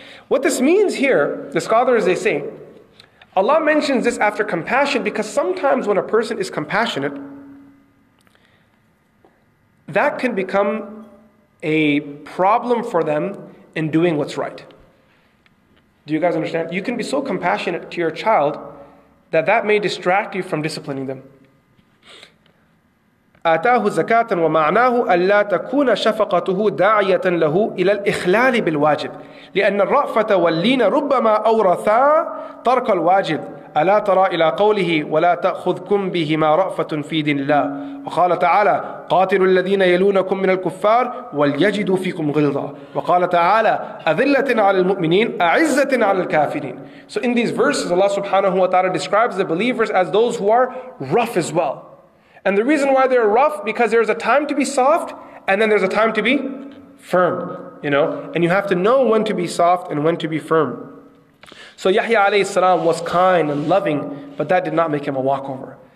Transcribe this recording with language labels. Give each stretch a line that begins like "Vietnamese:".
English: What this means here, the scholars, they say, Allah mentions this after compassion because sometimes when a person is compassionate, that can become a problem for them in doing what's right. Do you guys understand? You can be so compassionate to your child that that may distract you from disciplining them.
Arabic: آتاه زكاة ومعناه ألا تكون شفقته داعية له إلى الإخلال بالواجب لأن الرأفة واللين ربما أورثا ترك الواجب ألا ترى إلى قوله ولا تأخذكم بهما رأفة في دين الله وقال تعالى قاتلوا الذين يلونكم من الكفار وليجدوا فيكم غلظة وقال تعالى أذلة على المؤمنين أعزة على الكافرين.
English: So in these verses Allah subhanahu wa ta'ala describes the believers as those who are rough as well. And the reason why they're rough, because there's a time to be soft, and then there's a time to be firm, you know? And you have to know when to be soft and when to be firm. So Yahya alayhi salam was kind and loving, but that did not make him a walkover.